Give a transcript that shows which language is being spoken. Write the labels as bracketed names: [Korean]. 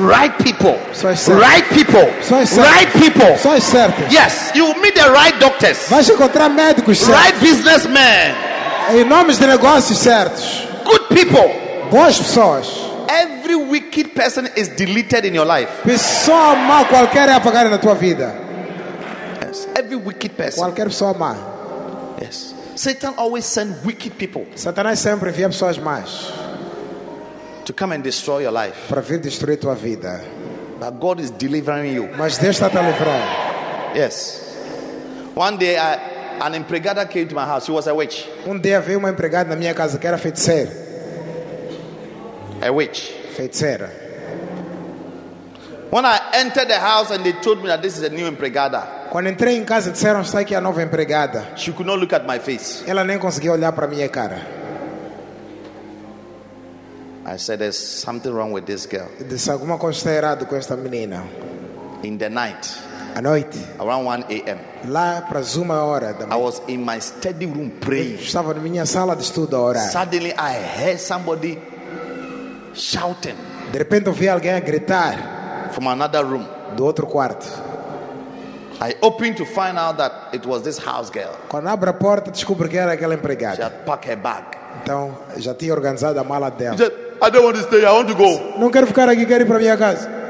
[English] Right people. [Portuguese] Só certas. [English] Right people. [Portuguese] Só certas. [English] Right people. [Portuguese] Só certas. [English] Yes, you meet the right doctors. [Portuguese] Vais encontrar médicos certos. [English] Right businessmen. [Portuguese] E nomes de negócios certos. [English] Good people. [Portuguese] Boas pessoas. [English] Every wicked person is deleted in your life. [Portuguese] Pessoa má qualquer é apagada na tua vida. [English] Yes. Every wicked person. [Portuguese] Qualquer pessoa má. [English] Yes. Satan always send wicked people. [Portuguese] Satanás sempre envia pessoas más. [English] To come and destroy your life. [Portuguese] Para vir destruir tua vida. [English] But God is delivering you. [Portuguese] Mas Deus está te livrando. [English] Yes. One day an empregada came to my house. She was a witch. [Portuguese] Um dia veio uma empregada na minha casa que era feiticeira. [English] A witch. [Portuguese] Feiticeira. [English] When I entered the house and they told me that this is a new empregada. [Portuguese] Quando entrei em casa disseram que é a nova empregada. [English] She could not look at my face. [Portuguese] Ela nem conseguia olhar para minha cara. [English] I said, "There's something wrong with this girl." [Portuguese] Disse alguma coisa está errado com esta menina. [English] In the night, [Portuguese] à noite, [English] around 1 a.m. [Portuguese] lá para uma hora da manhã. [English] I was in my study room praying. [Portuguese] Estava na minha sala de estudo a orar. [English] Suddenly, I heard somebody shouting. [Portuguese] De repente, ouvi alguém a gritar [English] from another room. [Portuguese] Do outro quarto. [English] I opened to find out that it was this house girl. [Portuguese] Quando abro a porta, descubro que era aquela empregada. [English] She had packed her bag. [Portuguese] Então, já tinha organizado a mala dela. [English] Said, I don't want to stay. I want to go. [Portuguese] Não quero ficar aqui, quero ir para minha casa.